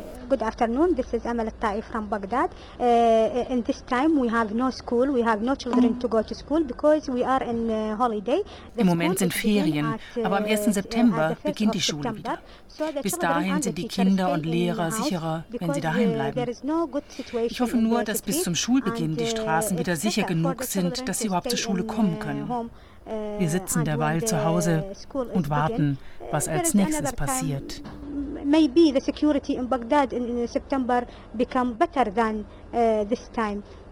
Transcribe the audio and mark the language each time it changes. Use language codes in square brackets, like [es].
[en] Good afternoon, this is Amal Taif from Baghdad. In this time we have no school, we have no children to go to school because we are in holiday. [de] Im Moment sind Ferien, aber am 1. September beginnt die Schule wieder. Bis dahin sind die Kinder und Lehrer sicherer, wenn sie daheim bleiben. Ich hoffe nur, dass bis zum Schulbeginn die Straßen wieder sicher genug sind, dass sie überhaupt zur Schule kommen können. Wir sitzen derweil zu Hause und warten, was als nächstes passiert. [en] Maybe the security in Baghdad in September become better than this time.